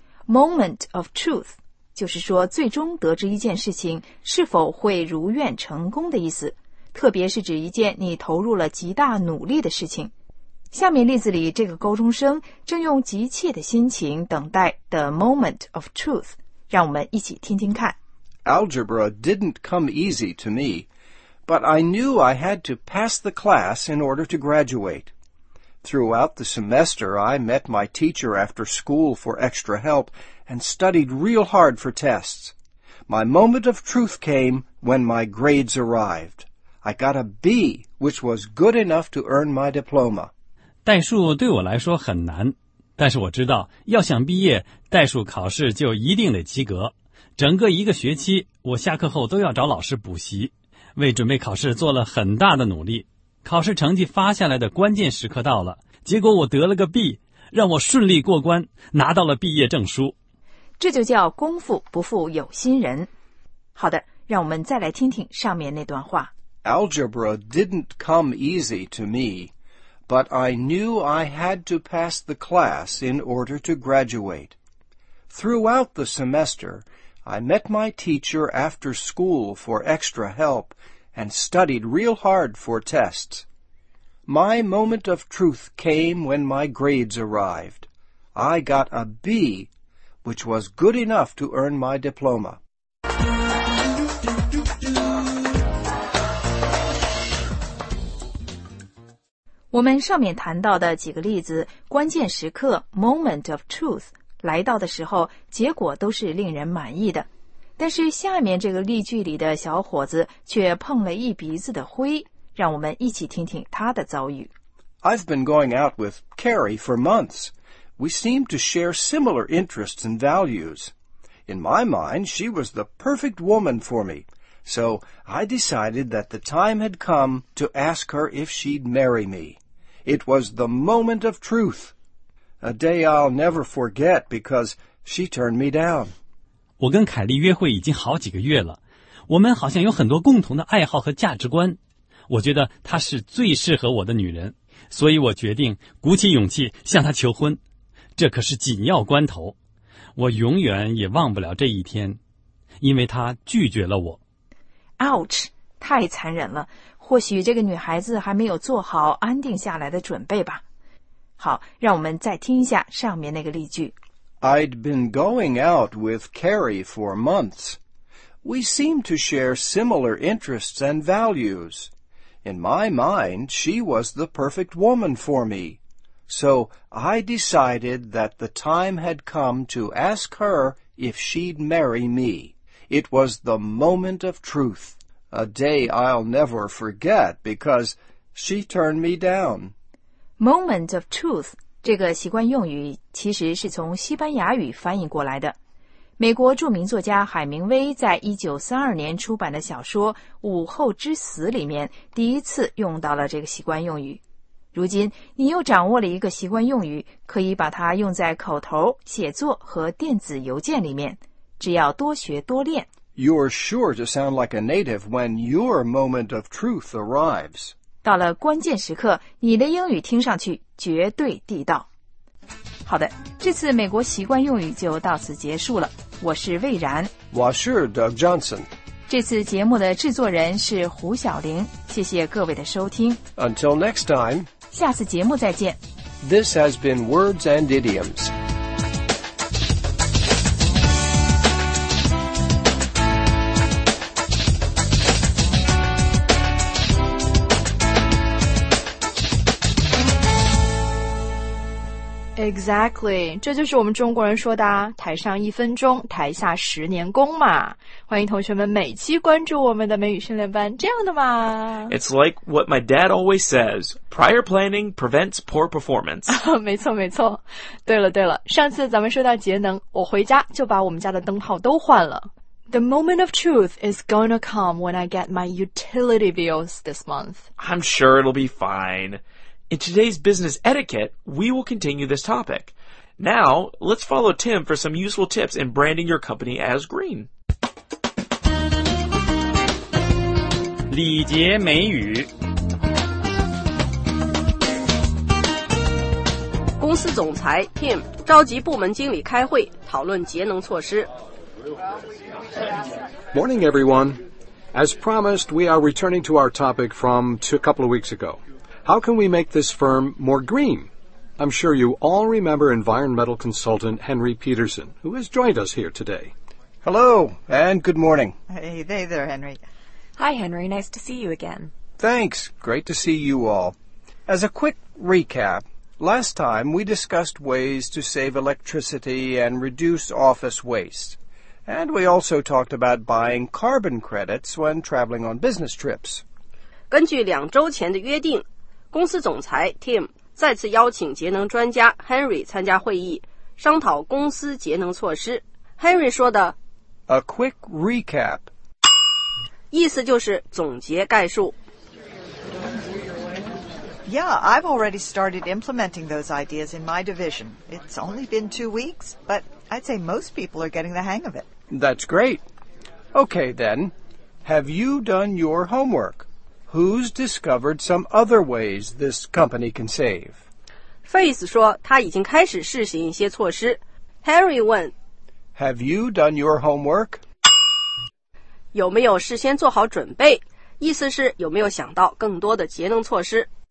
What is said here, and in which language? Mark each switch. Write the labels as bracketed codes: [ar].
[zh] Moment of truth 就是说最终得知一件事情是否会如愿成功的意思，特别是指一件你投入了极大努力的事情。下面例子里，这个高中生正用急切的心情等待 the moment of truth， 让我们一起听听看。 [en] Algebra didn't come easy to me, but I knew I had to pass the class in order to graduate. Throughout the semester, I met my teacher after school for extra help and studied real hard for tests. My moment of truth came when my grades arrived. I got a B, which was good enough to earn my diploma. [zh] 代数对我来说很难，但是我知道，要想毕业，代数考试就一定得及格。整个一个学期，我下课后都要找老师补习，为准备考试做了很大的努力。考试成绩发下来的关键时刻到了，结果我得了个 B， 让我顺利过关，拿到了毕业证书。这就叫功夫不负有心人。好的，让我们再来听听上面那段话。 [en] Algebra didn't come easy to me, but I knew I had to pass the class in order to graduate. Throughout the semester,I met my teacher after school for extra help and studied real hard for tests. My moment of truth came when my grades arrived. I got a B, which was good enough to earn my diploma. [zh] 我们上面谈到的几个例子，关键时刻 moment of truth 来到的时候，结果都是令人满意的。但是下面这个例句里的小伙子却碰了一鼻子的灰，让我们一起听听他的遭遇。 [en] I've been going out with Carrie for months. We seem to share similar interests and values. In my mind, she was the perfect woman for me. So I decided that the time had come to ask her if she'd marry me. It was the moment of truth. A day I'll never forget because she turned me down. [zh] 我跟凯莉约会已经好几个月了，我们好像有很多共同的爱好和价值观。我觉得她是最适合我的女人，所以我决定鼓起勇气向她求婚。这可是紧要关头，我永远也忘不了这一天，因为她拒绝了我。 Ouch， 太残忍了，或许这个女孩子还没有做好安定下来的准备吧。好，让我们再听一下上面那个例句。 [en] I'd been going out with Carrie for months. We seem to share similar interests and values. In my mind, she was the perfect woman for me. So I decided that the time had come to ask her if she'd marry me. It was the moment of truth. A day I'll never forget because she turned me down. Moment of truth. [zh] 这个习惯用语其实是从西班牙语翻译过来的。美国著名作家海明威在1942年出版的小说《午后之死》里面第一次用到了这个习惯用语。如今你又掌握了一个习惯用语，可以把它用在口头、写作和电子邮件里面，只要多学多练。 [en] You're sure to sound like a native when your moment of truth arrives. [zh] 到了关键时刻，你的英语听上去绝对地道。好的，这次美国习惯用语就到此结束了。我是魏然，我是 Doug Johnson。这次节目的制作人是胡晓玲，谢谢各位的收听。 [en] Until next time， [zh] 下次节目再见。 [en] This has been Words and Idioms. [zh] Exactly， 这就是我们中国人说的台上一分钟，台下十年功嘛。欢迎同学们每期关注我们的美语训练班，这样的嘛。 [en] It's like what my dad always says, prior planning prevents poor performance. [zh] 没错没错。对了对了，上次咱们说到节能，我回家就把我们家的灯泡都换了。 [en] The moment of truth is gonna come when I get my utility bills this month. I'm sure it'll be fine. In today's business etiquette, we will continue this topic. Now, let's follow Tim for some useful tips in branding your company as green. [zh] 礼节美语。公司总裁 Tim 召集部门经理开会，讨论节能措施。 [en] Morning, everyone. As promised, we are returning to our topic from a couple of weeks ago. How can we make this firm more green? I'm sure you all remember environmental consultant Henry Peterson, who has joined us here today. Hello, and good morning. Hey there, Henry. Hi, Henry. Nice to see you again. Thanks. Great to see you all. As a quick recap, last time we discussed ways to save electricity and reduce office waste. And we also talked about buying carbon credits when traveling on business trips. [zh] 根据两周前的约定，公司总裁 Tim 再次邀请节能专家 Henry 参加会议，商讨公司节能措施。 Henry 说的 [en] A quick recap [zh] 意思就是总结概述。 [en] Yeah, I've already started implementing those ideas in my division. It's only been 2 weeks, but I'd say most people are getting the hang of it. That's great. Okay then, have you done your homework? Who's discovered some other ways this company can save? [zh] Face 说他已经开始试行一些措施。 Henry 问 [en] Have you done your homework? [zh] 有没有事先做好准备？意思是有没有想到更多的节能措施？